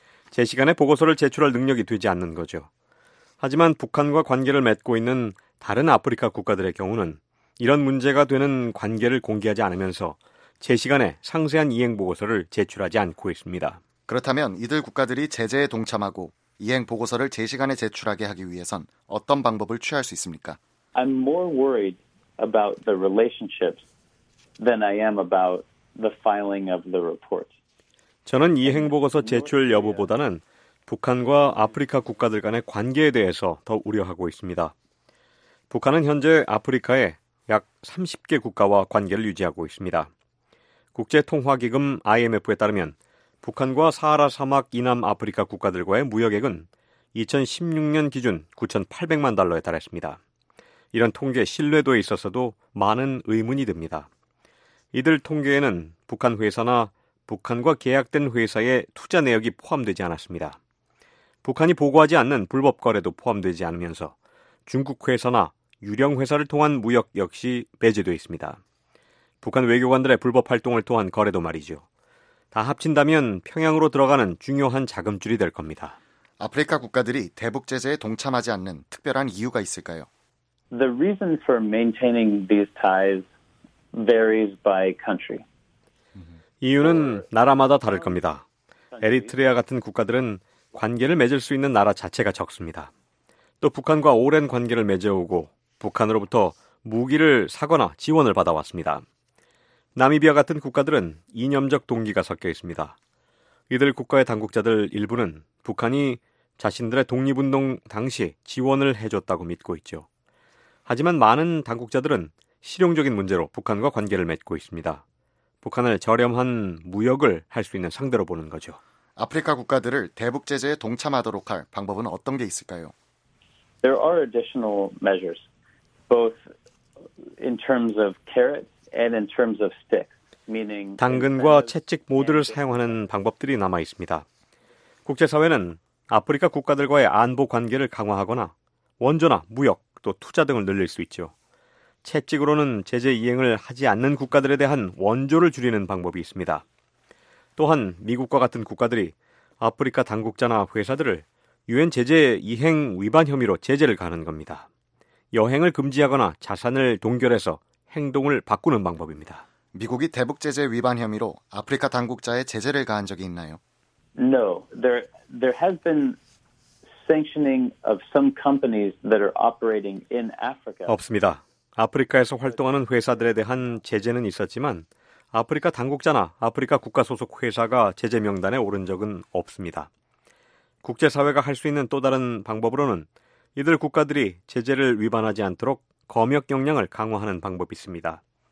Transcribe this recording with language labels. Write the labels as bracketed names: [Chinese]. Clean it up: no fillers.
[Korean] 제 시간에 보고서를 제출할 능력이 되지 않는 거죠. 하지만 북한과 관계를 맺고 있는 다른 아프리카 국가들의 경우는 이런 문제가 되는 관계를 공개하지 않으면서 제 시간에 상세한 이행 보고서를 제출하지 않고 있습니다. 그렇다면 이들 국가들이 제재에 동참하고 이행 보고서를 제 시간에 제출하게 하기 위해선 어떤 방법을 취할 수 있습니까? [English] I'm more worried about the relationships than I am about the filing of the report. [Korean] 저는 이행 보고서 제출 여부보다는 북한과 아프리카 국가들 간의 관계에 대해서 더 우려하고 있습니다. 북한은 현재 아프리카에 약 30개 국가와 관계를 유지하고 있습니다. 국제통화기금 IMF에 따르면 북한과 사하라 사막 이남 아프리카 국가들과의 무역액은 2016년 기준 9,800만 달러에 달했습니다. 이런 통계 신뢰도에 있어서도 많은 의문이 듭니다. 이들 통계에는 북한 회사나 북한과 계약된 회사의 투자 내역이 포함되지 않았습니다. 북한이 보고하지 않는 불법 거래도 포함되지 않으면서 중국 회사나 유령 회사를 통한 무역 역시 배제되어 있습니다. 북한 외교관들의 불법 활동을 통한 거래도 말이죠. 다 합친다면 평양으로 들어가는 중요한 자금줄이 될 겁니다. 아프리카 국가들이 대북 제재에 동참하지 않는 특별한 이유가 있을까요? [English] The reason for maintaining these ties varies by country. [Korean] 이유는 나라마다 다를 겁니다. 에리트리아 같은 국가들은 관계를 맺을 수 있는 나라 자체가 적습니다. 또 북한과 오랜 관계를 맺어오고 북한으로부터 무기를 사거나 지원을 받아왔습니다. 나미비아 같은 국가들은 이념적 동기가 섞여 있습니다. 이들 국가의 당국자들 일부는 북한이 자신들의 독립운동 당시 지원을 해줬다고 믿고 있죠. 하지만 많은 당국자들은 실용적인 문제로 북한과 관계를 맺고 있습니다. 북한을 저렴한 무역을 할 수 있는 상대로 보는 거죠. 아프리카 국가들을 대북 제재에 동참하도록 할 방법은 어떤 게 있을까요? [English] There are additional measures, both in terms of carrots and in terms of sticks, meaning [Korean] 당근과 채찍 모두를 사용하는 방법들이 남아 있습니다. 국제사회는 아프리카 국가들과의 안보 관계를 강화하거나 원조나 무역 또 투자 등을 늘릴 수 있죠. 채찍으로는 제재 이행을 하지 않는 국가들에 대한 원조를 줄이는 방법이 있습니다. 또한 미국과 같은 국가들이 아프리카 당국자나 회사들을 유엔 제재 이행 위반 혐의로 제재를 가하는 겁니다. 여행을 금지하거나 자산을 동결해서 행동을 바꾸는 방법입니다. 미국이 대북 제재 위반 혐의로 아프리카 당국자에 제재를 가한 적이 있나요? [English] No, there has been sanctioning of some companies that are operating in Africa. [Korean] 없습니다. 아프리카에서 활동하는 회사들에 대한 제재는 있었지만 아프리카 당국자나 아프리카 국가 소속 회사가 제재 명단에 오른 적은 없습니다. 국제사회가 할 수 있는 또 다른 방법으로는 이들 국가들이 제재를 위반하지 않도록 검역 역량을 강화하는 방법이 있습니다.